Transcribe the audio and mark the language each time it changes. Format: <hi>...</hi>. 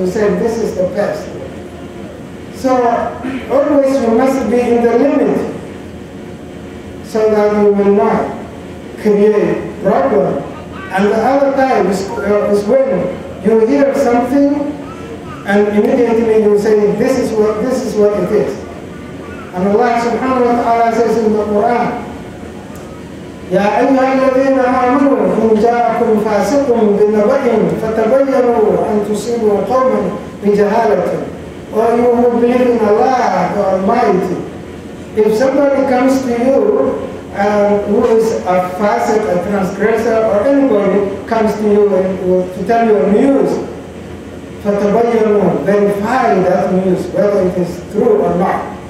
<en>You said, this is the best. So always you must be in the limit, so that you will not create problem. And the other time is when you hear something, and immediately you say, this is what it is. And Allah subhanahu wa ta'ala says in the Quran,</en> <ar>يَا أَيُّهَا الَّذِينَ آمَنُوا إِنْ جَاءَكُمْ فَاسِقٌ بِنَبَإٍ فَتَبَيَّنُوا أَنْ تُصِيبُوا قَوْمًا بِجَهَالَةٍ.</ar> <en>Or you who believe in Allah, the Almighty. If somebody comes to you, who is a fasiq, a transgressor, or anybody comes to you to tell you news, فَتَبَيَّنُوا, verify that news, whether it is true or not.</en>